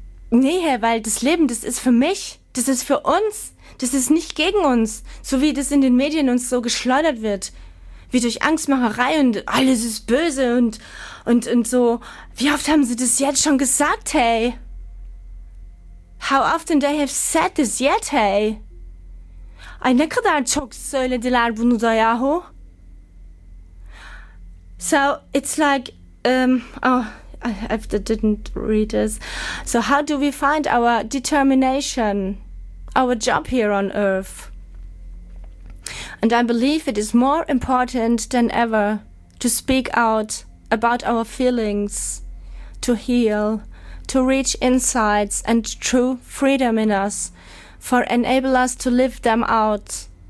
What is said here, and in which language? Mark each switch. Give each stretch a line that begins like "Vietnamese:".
German: Nee, weil das Leben, das ist für mich, das ist für uns, das ist nicht gegen uns, so wie das in den Medien uns so geschleudert wird, wie durch Angstmacherei und alles ist böse und so. Wie oft haben sie das jetzt schon gesagt, hey?
English: How often they have said this yet, hey?
Turkish: Ay ne kadar çok söylediler bunu da yahu.
English: So it's like, I didn't read this. So how do we find our determination, our job here on Earth? And I believe it is more important than ever to speak out about our feelings, to heal, to reach insights and true freedom in us, for enable us to live them out.